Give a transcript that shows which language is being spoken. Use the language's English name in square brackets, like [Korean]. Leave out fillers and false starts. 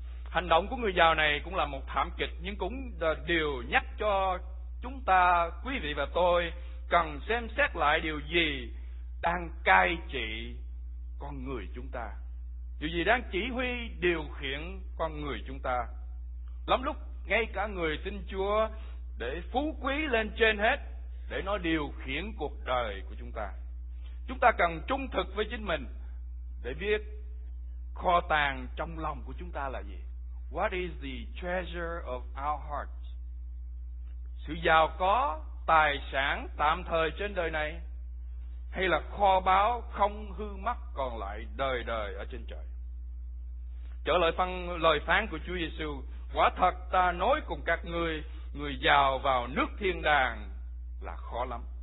[Vietnamese] Hành động của người giàu này cũng là một thảm kịch, nhưng cũng là điều nhắc cho chúng ta, quý vị và tôi, cần xem xét lại điều gì đang cai trị con người chúng ta, điều gì đang chỉ huy điều khiển con người chúng ta. Lắm lúc ngay cả người tin Chúa để phú quý lên trên hết, để nó điều khiển cuộc đời của chúng ta. Chúng ta cần trung thực với chính mình để biết kho tàng trong lòng của chúng ta là gì. [English] What is the treasure of our hearts? [Vietnamese] Sự giàu có, tài sản tạm thời trên đời này, hay là kho báu không hư mất còn lại đời đời ở trên trời? Trở lại phần lời phán của Chúa Giêsu, quả thật ta nói cùng các ngươi, người giàu vào nước thiên đàng là khó lắm.